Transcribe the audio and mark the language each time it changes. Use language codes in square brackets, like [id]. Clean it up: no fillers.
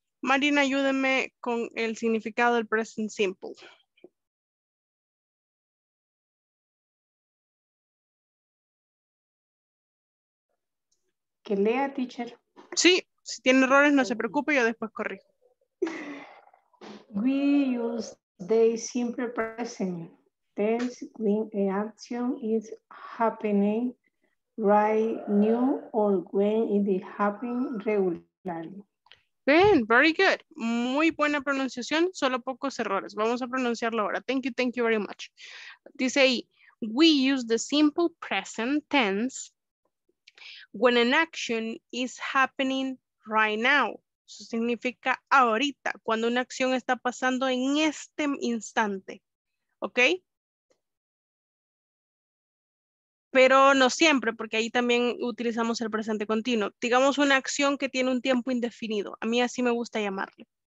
[es] Marina, ayúdenme con el significado del present simple. Que lea, teacher. Sí, si tiene errores, no se preocupe, yo después corrijo. [en] We use the simple present tense when an action is happening right now or when it is happening regularly. [es] Bien, [en] very good. [es] Muy buena pronunciación, solo pocos errores. Vamos a pronunciarlo ahora. [en] Thank you very much. [es] Dice ahí, [en] we use the simple present tense when an action is happening right now. [es] Eso significa ahorita, cuando una acción está pasando en este instante. ¿Ok? Pero no siempre, porque ahí también utilizamos el presente continuo. Digamos una acción que tiene un tiempo indefinido. A mí así me gusta llamarle.